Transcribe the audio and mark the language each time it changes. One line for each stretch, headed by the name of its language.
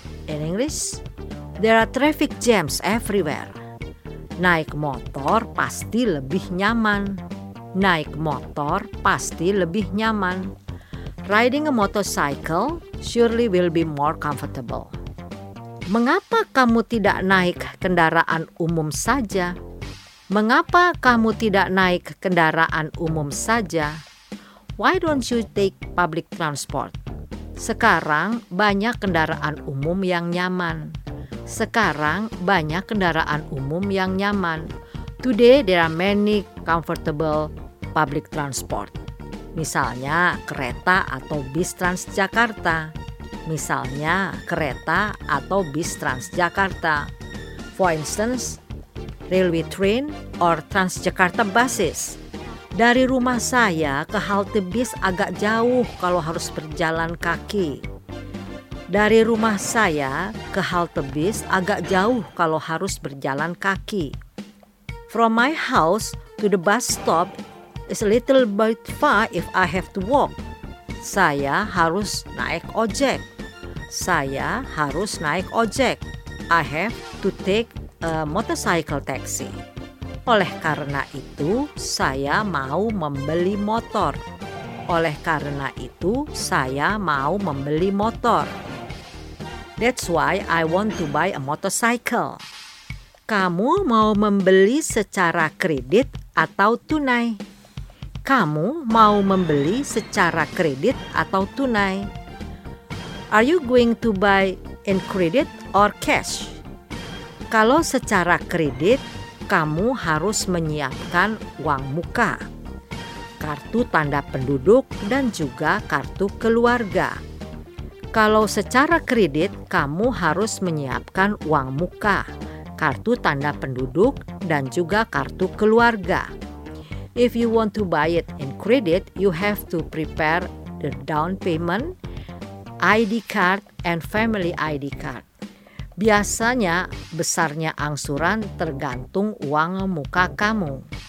English: In English, there are traffic jams everywhere.
Indonesian: Naik motor pasti lebih nyaman. Naik motor pasti lebih nyaman.
English: Riding a motorcycle surely will be more comfortable.
Indonesian: Mengapa kamu tidak naik kendaraan umum saja? Mengapa kamu tidak naik kendaraan umum saja?
English: Why don't you take public transport?
Indonesian: Sekarang banyak kendaraan umum yang nyaman. Sekarang banyak kendaraan umum yang nyaman.
English: Today there are many comfortable public transport.
Indonesian: Misalnya kereta atau bis Transjakarta. Misalnya kereta atau bis Transjakarta.
English: For instance, railway train or Transjakarta buses.
Indonesian: Dari rumah saya ke halte bis agak jauh kalau harus berjalan kaki. Dari rumah saya ke halte bis agak jauh kalau harus berjalan kaki.
English: From my house to the bus stop is a little bit far if I have to walk.
Indonesian: Saya harus naik ojek. Saya harus naik ojek.
English: I have to take a motorcycle taxi.
Indonesian: Oleh karena itu, saya mau membeli motor. Oleh karena itu, saya mau membeli motor.
English: That's why I want to buy a motorcycle.
Indonesian: Kamu mau membeli secara kredit atau tunai? Kamu mau membeli secara kredit atau tunai?
English: Are you going to buy in credit or cash?
Indonesian: Kalau secara kredit, kamu harus menyiapkan uang muka, kartu tanda penduduk, dan juga kartu keluarga. Kalau secara kredit, kamu harus menyiapkan uang muka, kartu tanda penduduk, dan juga kartu keluarga.
English: If you want to buy it in credit, you have to prepare the down payment, ID card, and family ID card.
Indonesian: Biasanya, besarnya angsuran tergantung uang muka kamu.